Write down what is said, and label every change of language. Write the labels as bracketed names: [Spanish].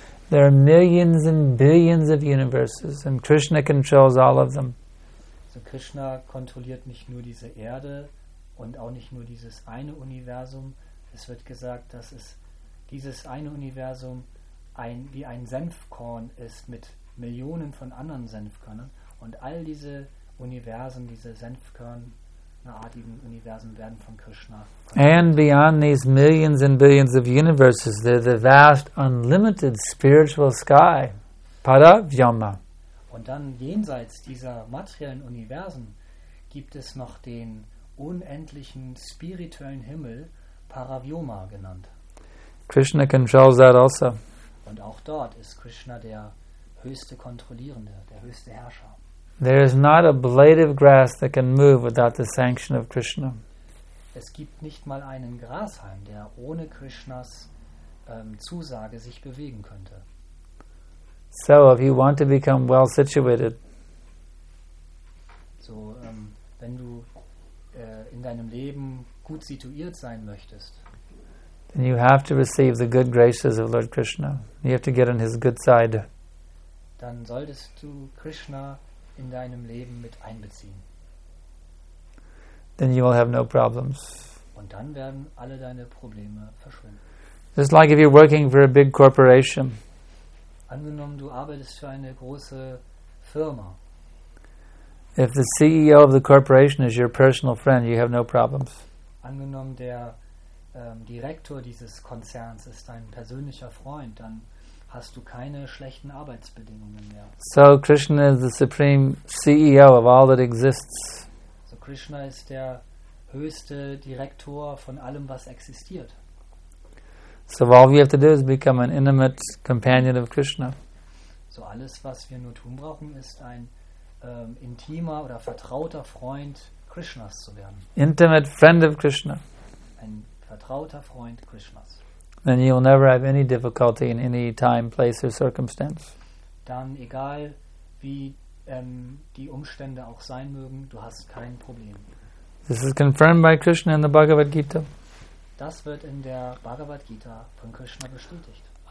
[English] There are millions and billions of universes, and Krishna controls all of them. [German] So Krishna kontrolliert nicht nur diese Erde und auch nicht nur dieses eine Universum. Es wird gesagt, dass es dieses eine Universum ein, wie ein Senfkorn ist mit Millionen von anderen Senfkörnern. Und all diese Universen, diese Senfkörnerartigen Universen werden von Krishna. [English] And beyond these millions and billions of universes, there's the vast, unlimited spiritual sky, Paravyama. [German] Und dann jenseits dieser materiellen Universen gibt es noch den unendlichen spirituellen Himmel, Paravyama genannt. [English] Krishna controls that also. [German] Und auch dort ist Krishna der höchste Kontrollierende, der höchste Herrscher. [English] There is not a blade of grass that can move without the sanction of Krishna. [German] Es gibt nicht mal einen Grashalm, der ohne Krishnas Zusage sich bewegen könnte. [English] So, if you want to become well situated, [German] so wenn du in deinem Leben gut situiert sein möchtest, [English] then you have to receive the good graces of Lord Krishna. You have to get on his good side. [German] Dann solltest du Krishna in deinem Leben mit einbeziehen. [English] Then you will have no problems. [German] Und dann werden alle deine Probleme verschwinden. [English] Just like if you're working for a big corporation. [German] Angenommen, du arbeitest für eine große Firma. [English] If the CEO of the corporation is your personal friend, you have no problems. [German] Angenommen, der Direktor dieses Konzerns ist dein persönlicher Freund, dann hast du keine schlechten Arbeitsbedingungen mehr. [English] So Krishna is the supreme CEO of all that exists. [German] So Krishna ist der höchste Direktor von allem, was existiert. [English] So all we have to do is become an intimate companion of Krishna. [German] So alles, was wir nur tun brauchen, ist ein intimer oder vertrauter Freund Krishnas zu werden. [English] Intimate friend of Krishna. [German] Ein vertrauter Freund Krishnas. [English] Then you will never have any difficulty in any time, place or circumstance. [German] Dann egal wie die Umstände auch sein mögen, du hast kein Problem. [English] This is confirmed by Krishna in the Bhagavad Gita. [German] Das wird in der Bhagavad Gita von Krishna bestätigt.